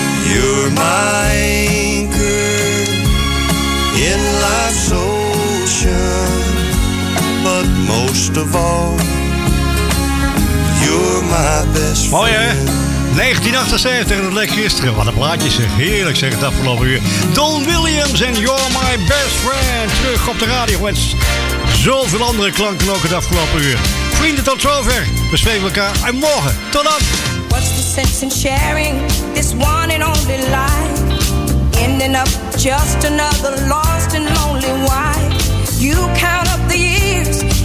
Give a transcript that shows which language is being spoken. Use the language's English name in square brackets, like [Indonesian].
[English] You're my anchor in life's ocean, but most of all, you're my best friend. [Dutch] 1978, dat leek gisteren. Wat een plaatje zeg. Heerlijk zeg het afgelopen uur. Don Williams en You're My Best Friend. Terug op de radio. Met zoveel andere klanken ook het afgelopen uur. Vrienden, tot zover. We spreken elkaar en morgen. Tot dan. [English] What's the sense in sharing this one and only life? Ending up just another lost and lonely wife. You count up the years.